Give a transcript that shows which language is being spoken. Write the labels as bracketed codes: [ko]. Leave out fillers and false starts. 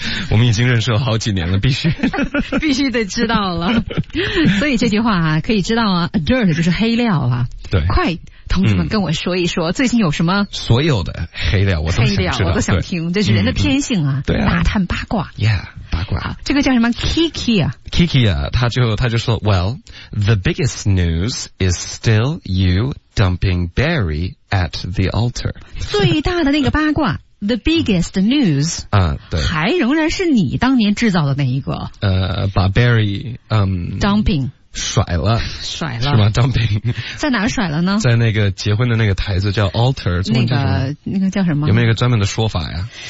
[zh] 我们已经认识了好几年了，必须必须得知道了。所以这句话啊，可以知道啊 ，dirt 就是黑料啊。对，快。同志们跟我说一说最近有什么所有的黑料我都想知道黑料我都想听这是人的天性啊对啊打探八卦 yeah 八卦这个叫什么 Kiki 啊 [en] Kiki [zh] 啊他就说 [en] Well the biggest news is still you dumping Barry at the altar [zh] 最大的那个八卦 [en] The biggest news [zh] 啊，对，还仍然是你当年制造的那一个把 Barry [en] dumping [zh] 甩了是吗 ？dumping 在哪甩了呢？在那个结婚的那个台子叫 altar，那个叫什么？有没有一个专门的说法呀？